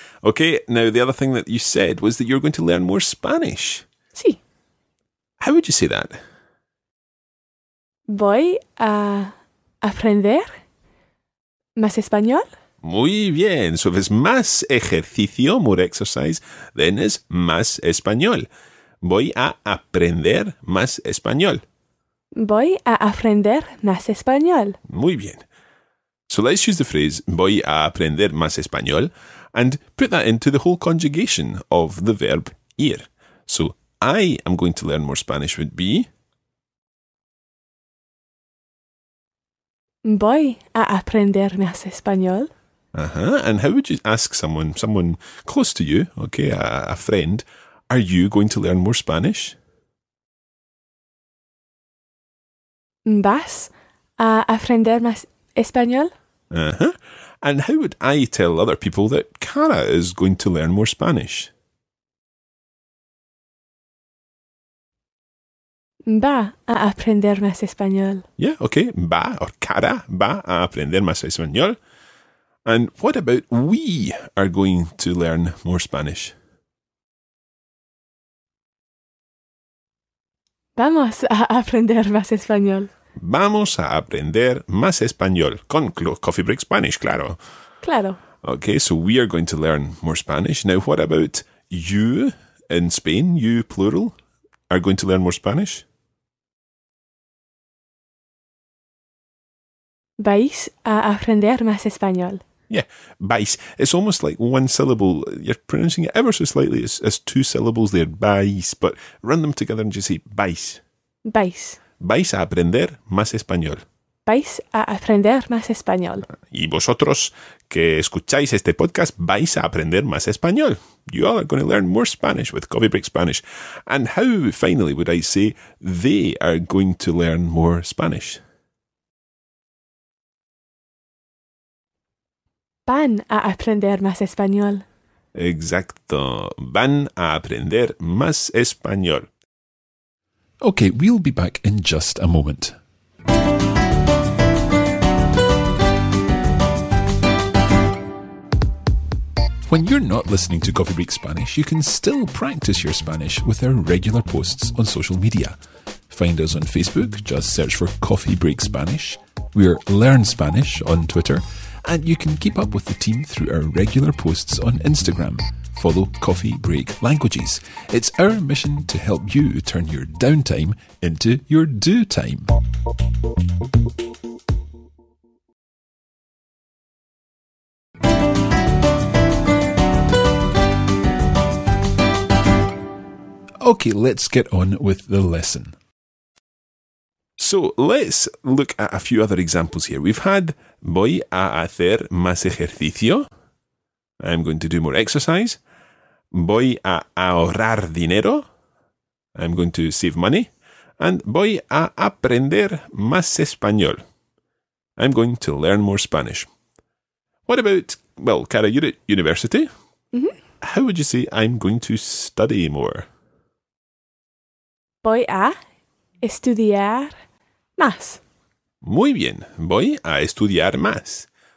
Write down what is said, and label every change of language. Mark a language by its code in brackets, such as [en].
[en] Okay, now the other thing that you said was that you're going to learn more Spanish. [es] Sí. [en] How would you say that? [es] Voy a aprender más español. Muy bien. [en] So if it's [es] más ejercicio, [en] more exercise, then it's [es] más español. Voy a aprender más español. Voy a aprender más español. Muy bien. [en] So let's use the phrase, [es] voy a aprender más español, [en] and put that into the whole conjugation of the verb ir. So I am going to learn more Spanish would be... [es] Voy a aprender más español. Uh-huh. [en] And how would you ask someone close to you, okay, a friend, are you going to learn more Spanish? [es] ¿Vas a aprender más español? Uh-huh. [en] And how would I tell other people that Cara is going to learn more Spanish? [es] Va a aprender más español. [en] Yeah, okay. [es] Va or Cara va a aprender más español. [en] And what about we are going to learn more Spanish? [es] Vamos a aprender más español. Vamos a aprender más español con Coffee Break Spanish, claro. Claro. [en] Okay, so we are going to learn more Spanish. Now, what about you in Spain, you plural, are going to learn more Spanish? [es] Vais a aprender más español. Yeah, vais. [en] It's almost like one syllable. You're pronouncing it ever so slightly as two syllables there, vais. But run them together and just say vais. [es] Vais. Vais a aprender más español. Vais a aprender más español. Y vosotros que escucháis este podcast, vais a aprender más español. [en] You all are going to learn more Spanish with Coffee Break Spanish. And how, finally, would I say they are going to learn more Spanish? Van a aprender más español. Exacto. Van a aprender más español. Okay, we'll be back in just a moment. When you're not listening to Coffee Break Spanish, you can still practice your Spanish with our regular posts on social media. Find us on Facebook, just search for Coffee Break Spanish. We're Learn Spanish on Twitter. And you can keep up with the team through our regular posts on Instagram. Follow Coffee Break Languages. It's our mission to help you turn your downtime into your do time. Okay, let's get on with the lesson. So let's look at a few other examples here. We've had [es] voy a hacer más ejercicio. [en] I'm going to do more exercise. [es] Voy a ahorrar dinero. [en] I'm going to save money. [es] And voy a aprender más español. [en] I'm going to learn more Spanish. What about, well, Cara, you're at university. Mm-hmm. How would you say I'm going to study more? [es] Voy a estudiar más. Muy bien. Voy a estudiar más.